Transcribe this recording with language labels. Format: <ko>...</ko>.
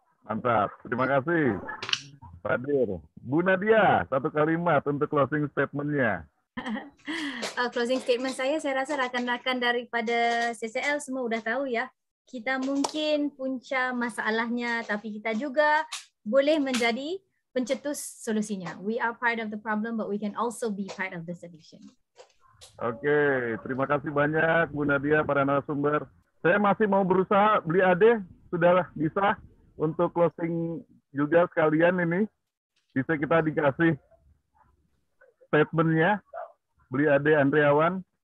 <id>Mantap. Terima kasih, Pak Dir. Bu Nadia, satu kalimat untuk closing statement-nya.</id> <ms>Closing statement saya rasa rakan-rakan daripada CCL semua sudah tahu ya. Kita mungkin punca masalahnya, tapi kita juga boleh menjadi pencetus solusinya.</ms> <en>We are part of the problem, but we can also be part of the solution.</en> <id>Oke, terima kasih banyak Bu Nadia, para narasumber. Saya masih mau berusaha, Bli Ade, sudah bisa untuk closing juga sekalian ini. Bisa kita dikasih statement-nya, Bli Ade Andreawan.</id>